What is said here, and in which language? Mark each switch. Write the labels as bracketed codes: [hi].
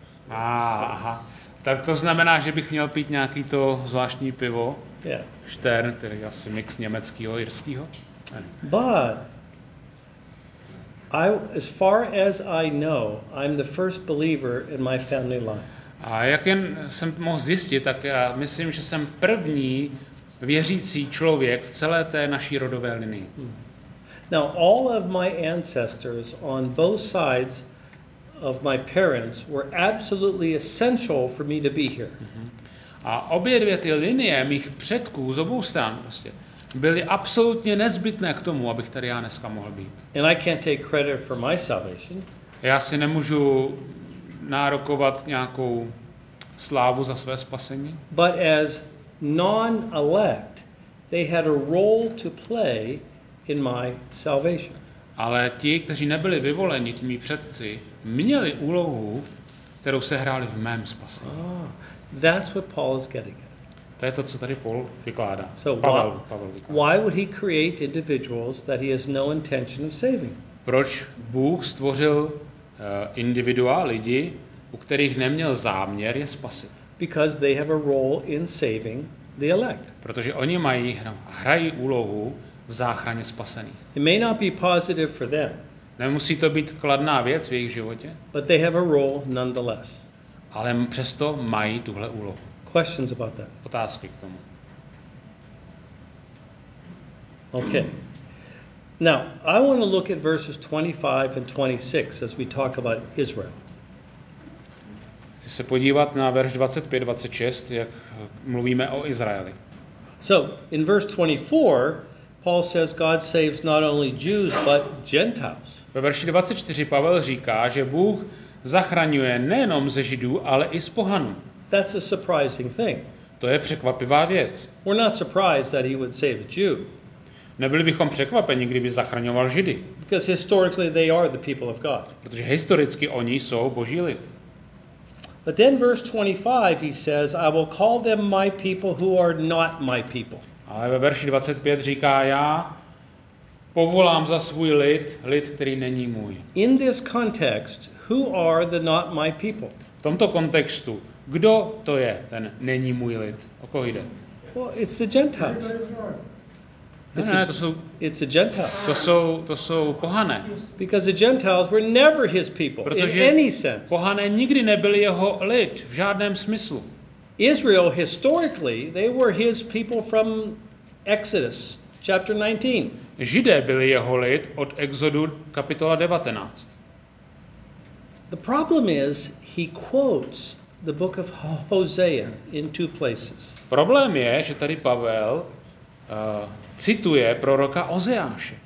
[cs] Aha. Tak to znamená, že bych měl pít nějaký to zvláštní pivo. [en] Yeah. [cs] Stern, tedy asi mix německýho, irskýho. [en] But I, as far as I know, I'm the first believer in my family line. [cs] A jak jen jsem mohl zjistit, tak já myslím, že jsem první věřící člověk v celé té naší rodové linii. [en] Now all of my ancestors on both sides of my parents were absolutely essential for me to be here. [cs] A obě dvě ty linie mých předků z obou stran prostě byly absolutně nezbytné k tomu, abych tady já dneska mohl být. [en] And I can't take credit for my salvation. [cs] Já si nemůžu nárokovat nějakou slávu za své spasení. [en] But as non-elect, they had a role to play in my salvation. [cs] Ale ti, kteří nebyli vyvoleni, ti mí předci, měli úlohu, kterou sehráli v mém spasení. [en] That's what Paul is getting at. [cs] To je to, co tady Paul vykládá. [en] So [cs] Pavel vykládá. [en] Why would he create individuals that he has no intention of saving? [cs] Proč Bůh stvořil individua, lidi, u kterých neměl záměr je spasit? [en] Because they have a role in saving the elect. [cs] Protože oni mají hrají úlohu v záchraně spasených. [en] It may not be positive for them. [cs] Nemusí to být kladná věc v jejich životě. [en] But they have a role nonetheless. [cs] Ale přesto mají tuhle úlohu. [en] Questions about that. [cs] Otázky k tomu. [en] Okay. Now, I want to look at verses 25 and 26 as we talk about Israel. [cs] Se podívat na verš 25, 26, jak mluvíme o Izraeli. [en] So, in verse 24, Paul says God saves not only Jews, but Gentiles. [cs] Ve verši 24 Pavel říká, že Bůh zachraňuje nejenom ze Židů, ale i z pohanů. [en] That's a surprising thing. [cs] To je překvapivá věc. [en] We're not surprised that he would save a Jew. [cs] Nebyli bychom překvapeni, kdyby zachraňoval Židy. [en] Because historically they are the people of God. [cs] Protože historicky oni jsou Boží lid. [en] But then verse 25 he says I will call them my people who are not my people. [cs] Ale ve verši 25 říká, já povolám za svůj lid, lid, který není můj. [en] In this context, who are the not my people? [cs] V tomto kontextu, kdo to je ten není můj lid? O koho jde? [en] Well, it's the Gentiles. It's a Gentile. [cs] To jsou pohané. [en] Because the Gentiles were never his people. [cs] Protože [en] in any sense. [cs] Pohané nikdy nebyli jeho lid v žádném smyslu. [en] Israel historically, they were his people from Exodus chapter 19. [cs] Židé byli jeho lid od Exodu kapitola 19. [en] The problem is he quotes the book of Hosea in two places. [cs] Problém je, že tady Pavel cituje proroka Ozeáše.